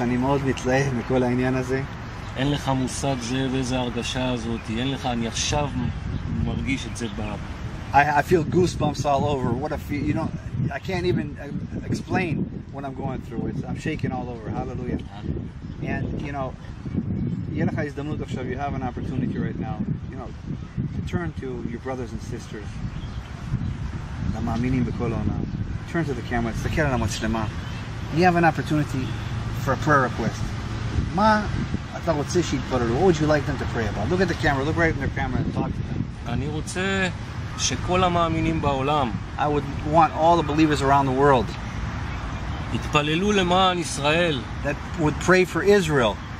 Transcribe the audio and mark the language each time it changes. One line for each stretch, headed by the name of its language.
Hebrew: אני מאוד מתלהב מכל העניין הזה. אין לך מושג זה ואיזה הרגשה הזאת. אין לך, אני עכשיו מרגיש את זה בעב.
English: I feel goosebumps all over. What a feel, you know, I can't even explain what I'm going through. I'm shaking all over. Hallelujah. And, you know,
Hebrew: יהיה לך הזדמנות עכשיו.
English: You have an opportunity right now, you know, to turn to your brothers and sisters.
Hebrew: המאמינים בכל העולם.
English: Turn to the camera,
Hebrew: תסתכל על המצלמה.
English: You have an opportunity for a prayer request.
Hebrew: מה אתה רוצה שיתפללו?
English: What would you like them to pray about? Look at the camera, look right in their camera and talk to them.
Hebrew: אני רוצה שכל המאמינים בעולם,
English: I would want all the believers around the world,
Hebrew: יתפללו למען ישראל,
English: that would pray for Israel,